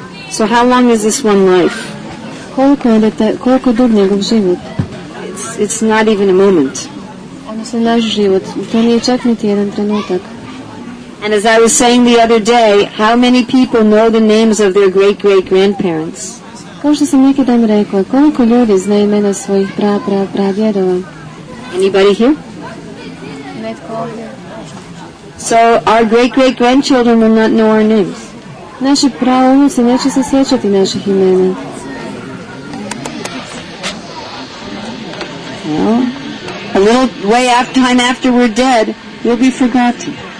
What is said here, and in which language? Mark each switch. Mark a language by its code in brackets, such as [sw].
[en] So how long is this one life? [hr] Koliko dug njegov život? [en] It's not even a moment. [hr] Odnosno naš život, to nije čak niti jedan trenutak. [en] And as I was saying the other day, how many people know the names of their great-great-grandparents? [hr] Kao što sam neki dan rekla, koliko ljudi zna imena svojih pradjedova? [en] Anybody here? [hr] Netko ovdje. [en] So our great-great-grandchildren will not know our names. [hr] Naši praunuci neće se sjećati naših imena. [en] Well, a little way after time after we're dead, we'll be forgotten.